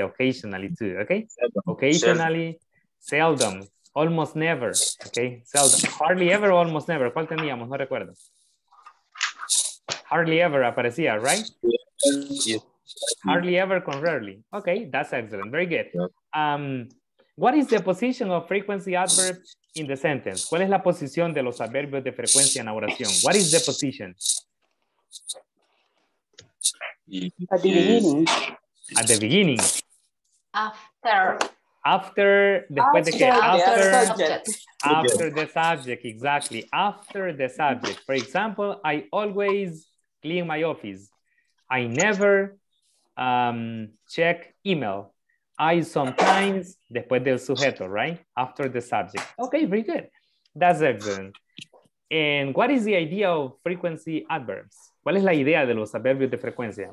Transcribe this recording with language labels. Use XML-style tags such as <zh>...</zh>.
<en>Occasionally too, okay? Occasionally. Seldom. Almost never. Okay? Seldom. Hardly ever, almost never.</en> <es>¿Cuál teníamos? No recuerdo.</es> <en>Hardly ever</en> <es>aparecía,</es> <en>right? Yes. Hardly ever con rarely. Okay, that's excellent. Very good. What is the position of frequency adverb in the sentence?</en> <es>¿Cuál es la posición de los adverbios de frecuencia en la oración?</es> <en>What is the position? At the beginning. At the beginning. After. After, después after</en> <es>de que? After</es> <en>the subject. After the subject, exactly. After the subject. For example, I always clean my office. I never check email. I sometimes,</en> <es>después del sujeto,</es> <en>right? After the subject. Okay, very good. That's excellent. And what is the idea of frequency adverbs?</en> <es>¿Cuál es la idea de los adverbios de frecuencia?</es>